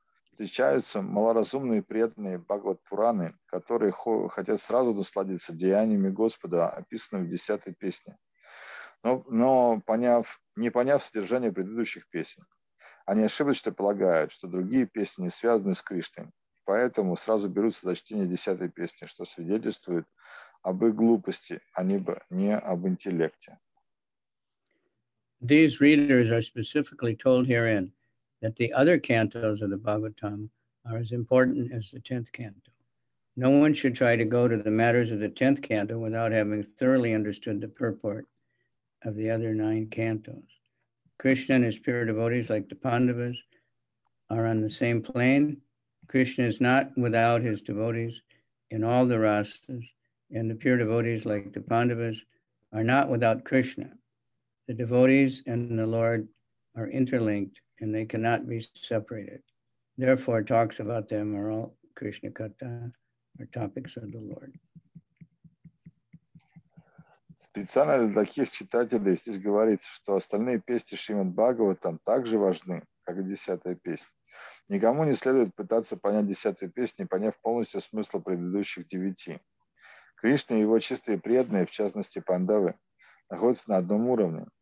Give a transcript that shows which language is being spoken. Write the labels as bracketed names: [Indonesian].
[Russian] Встречаются малоразумные и преданные Бхагават-пураны, которые хотят сразу насладиться деяниями Господа, описанными в 10-й песне, но не поняв содержание предыдущих песен. Они ошибочно полагают, что другие песни не связаны с Кришной, поэтому сразу берутся за чтение 10-й песни, что свидетельствует об их глупости, а не об интеллекте. [English] These readers are specifically told herein that the other cantos of the Bhagavatam are as important as the 10th canto. No one should try to go to the matters of the 10th canto without having thoroughly understood the purport of the other 9 cantos. Krishna and his pure devotees, like the Pandavas, are on the same plane. Krishna is not without his devotees in all the rasas, and the pure devotees, like the Pandavas, are not without Krishna. The devotees and the Lord are interlinked, and they cannot be separated. Therefore, talks about them are all Krishna Katha, or topics of the Lord. [Russian] Специально для таких читателей здесь говорится, что остальные песни Шримад Бхагаватам также важны, как и 10-я песня. Никому не следует пытаться понять 10-ю песню, не поняв полностью смысл предыдущих 9. Кришна и его чистые преданные, в частности Пандавы, находятся на одном уровне.